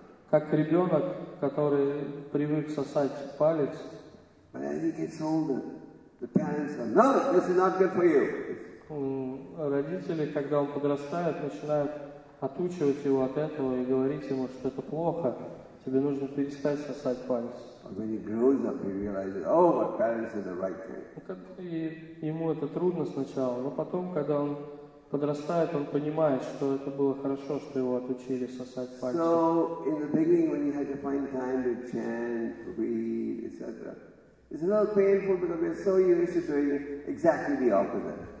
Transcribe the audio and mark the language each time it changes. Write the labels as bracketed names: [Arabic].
[Russian] Как ребенок, который привык сосать палец. [English] But as he gets older, the parents are, no, this is not good for you. [Russian] Родители, когда он подрастает, начинают отучивать его от этого и говорить ему, что это плохо. Тебе нужно перестать сосать палец. [English] When he grows up, he realizes, oh, my parents are the right thing. [Russian] И ему это трудно сначала, но потом, когда он подрастает, он понимает, что это было хорошо, что его отучили сосать пальцы. [English] So, in the beginning, when you had to find time to chant, read, etc., it's a little painful because we're so used to doing exactly the opposite.